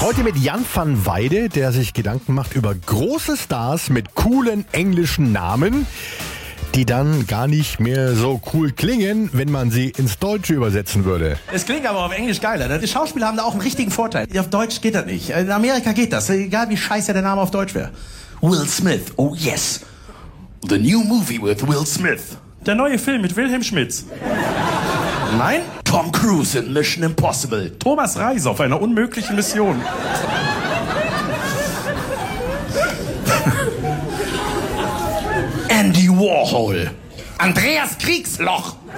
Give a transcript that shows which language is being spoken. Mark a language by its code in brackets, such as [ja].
[de] Heute mit Jan van Weide, der sich Gedanken macht über große Stars mit coolen englischen Namen, die dann gar nicht mehr so cool klingen, wenn man sie ins Deutsche übersetzen würde. Es klingt aber auf Englisch geiler. Die Schauspieler haben da auch einen richtigen Vorteil. Auf Deutsch geht das nicht. In Amerika geht das. Egal wie scheiße der Name auf Deutsch wäre. [en] Will Smith. Oh yes. The new movie with Will Smith. [de] Der neue Film mit Wilhelm Schmitz. Nein. Tom Cruise in Mission Impossible. Thomas Reis auf einer unmöglichen Mission. Andy Warhol. Andreas Kriegsloch.